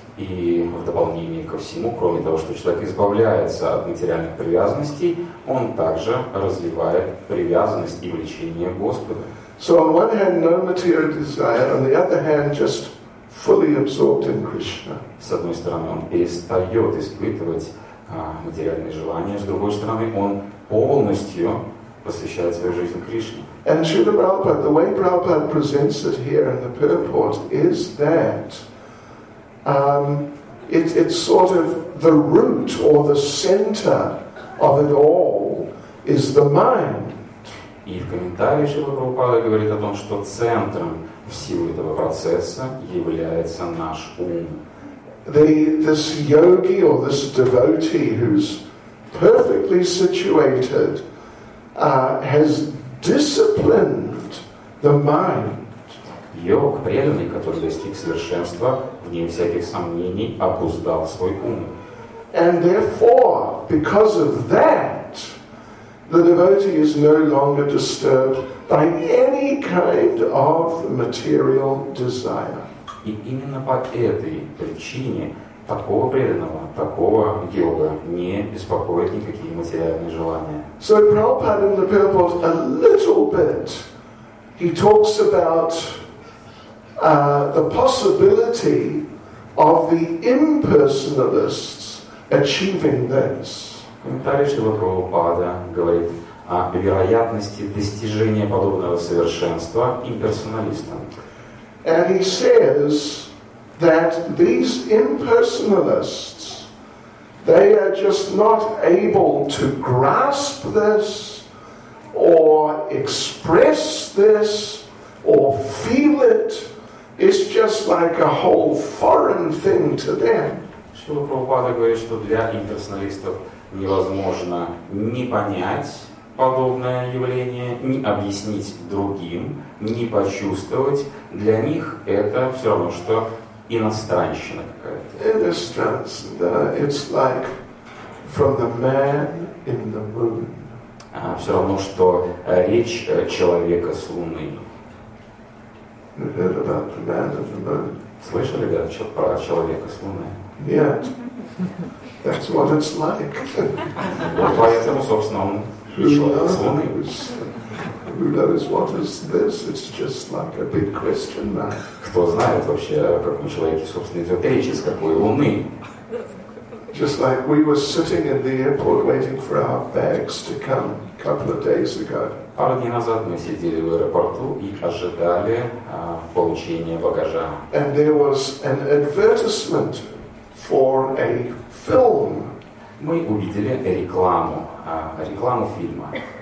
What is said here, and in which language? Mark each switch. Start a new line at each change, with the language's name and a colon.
Russian: И в дополнение ко всему, кроме того, что человек избавляется от материальных привязанностей, он также развивает привязанность и влечение к Господу.
English: So on one hand, no material desire, on the other hand, just fully absorbed in Krishna.
Russian: С одной стороны, он перестает испытывать материальные желания, с другой стороны, он полностью посвящает свою жизнь Кришне.
English: And Srila Prabhupada, the way Prabhupada presents it here in the purport is that it's sort of the root or the center of it all is the mind.
Russian: И в комментарии Шрила Прабхупада говорит о том, что центром всего этого процесса является наш ум.
English: This yogi or this devotee who's perfectly situated has disciplined the mind.
Russian: Йог, преданный, который достиг совершенства, вне всяких сомнений, обуздал свой ум.
English: And therefore, because of that, the devotee is no longer disturbed by any kind of material desire.
Russian: И именно по этой причине такого преданного, такого йога не беспокоят никакие материальные желания.
English: So Prabhupada in the Purport a little bit, he talks about the possibility of the impersonalists achieving this.
Russian: Комментарий Шрила Прабхупада говорит о вероятности достижения подобного совершенства имперсоналистам.
English: And he says that these impersonalists, they are just not able to grasp this, or express this, or feel it. It's just like a whole foreign thing to them.
Russian: Шрила Прабхупада говорит, что для имперсоналистов невозможно ни понять подобное явление, ни объяснить другим, ни почувствовать. Для них это все равно, что иностранщина какая-то.
English: It's like from the man in the moon.
Russian: Все равно, что речь человека с Луны.
English: Heard about the man of the moon.
Russian: Слышали, да, про человека с Луны? Нет.
English: That's what it's like.
Russian: Вот поэтому, собственно, он человек с Луны.
English: Who knows what is this? It's just like a big question mark.
Russian: Кто знает вообще, о каком человеке, собственно, идет речь, из какой Луны?
English: Just like we were sitting in the airport waiting for our bags to come a couple of days ago.
Russian: Пару дней назад мы сидели в аэропорту и ожидали получения багажа.
English: And there was an advertisement for a film.
Russian: Мы увидели рекламу, рекламу фильма.